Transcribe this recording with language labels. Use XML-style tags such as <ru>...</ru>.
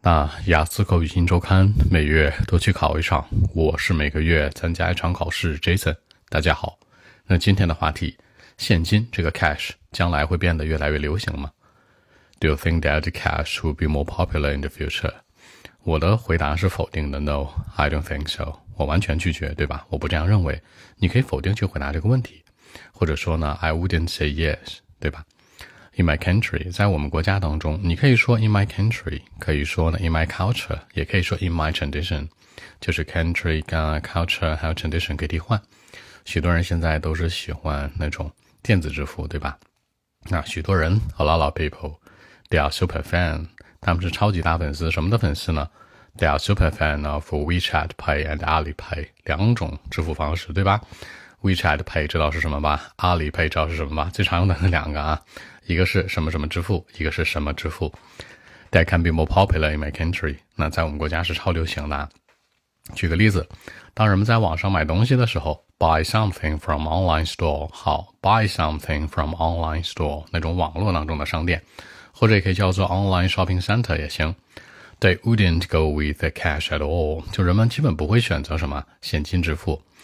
<zh>啊，雅思口语新周刊每月都去考一场，我是每个月参加一场考试 Jason。大家好，那今天的话题，现金这个 cash 将来会变得越来越流行吗？</zh> <en>Do you think that cash will be more popular in the future?</en> <zh>我的回答是否定的，</zh> <en>No, I don't think so.</en> <zh>我完全拒绝，对吧？我不这样认为。你可以否定去回答这个问题，或者说呢，</zh> <en>I wouldn't say yes,</en> <zh>对吧？</zh> <en>In my country,</en> <zh>在我们国家当中，你可以说</zh> <en>in my country,</en> <zh>可以说呢</zh> <en>in my culture,</en> <zh>也可以说</zh> <en>in my tradition,</en> <zh>就是 country, culture, 还有 tradition 可以替换。许多人现在都是喜欢那种电子支付，对吧？那许多人</zh> <en>a lot of people, they are super fan,</en> <zh>他们是超级大粉丝，什么的粉丝呢？</zh> <en>They are super fan of WeChat Pay and Alipay,</en> <zh>两种支付方式，对吧？ WeChat Pay 知道是什么吧？Alipay 知道是什么吧？最常用的那两个啊，一个是什么什么支付，一个是什么支付。</zh> <en>That can be more popular in my country.</en> <zh>那在我们国家是超流行的。举个例子，当人们在网上买东西的时候，</zh> <en>buy something from online store,</en> <zh>好， buy something from online store, 那种网络当中的商店，或者也可以叫做</zh> <en>online shopping center</en> <zh>也行。</zh> <en>They wouldn't go with the cash at all,</en> <zh>就人们基本不会选择什么现金支付。</zh>